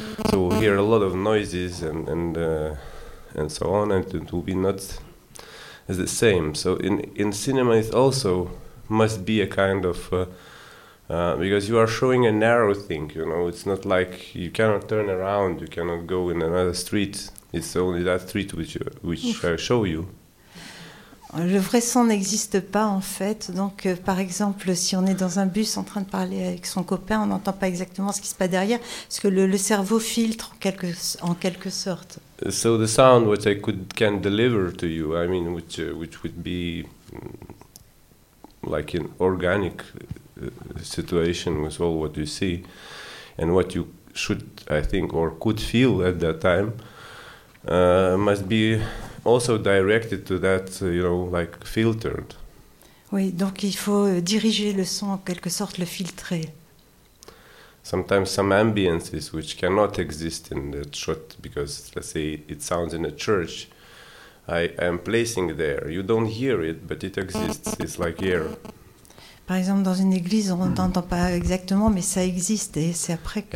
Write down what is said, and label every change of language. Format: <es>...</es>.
<en>So we hear a lot of noises and so on, and it will be not as the same. So in cinema, it also must be a kind of. Because you are showing a narrow thing, you know, it's not like you cannot turn around, you cannot go in another street. It's only that street which I show you.</en> <fr>Le vrai son n'existe pas en fait. Donc, par exemple, si on est dans un bus en train de parler avec son copain, on n'entend pas exactement ce qui se passe derrière, parce que le cerveau filtre en quelque sorte.</fr> <en>So the sound which I can deliver to you, I mean, which would be like an organic. Situation with all what you see and what you should, I think, or could feel at that time must be also directed to that, you know, like filtered.</en> <fr>Oui, donc il faut diriger le son en quelque sorte, le filtrer.</fr> <en>Sometimes some ambiences which cannot exist in that shot because, let's say, it sounds in a church, I am placing there. You don't hear it, but it exists. It's like air.</en> <fr>Par exemple, dans une église, on n'entend pas exactement, mais ça existe et c'est après que.</fr>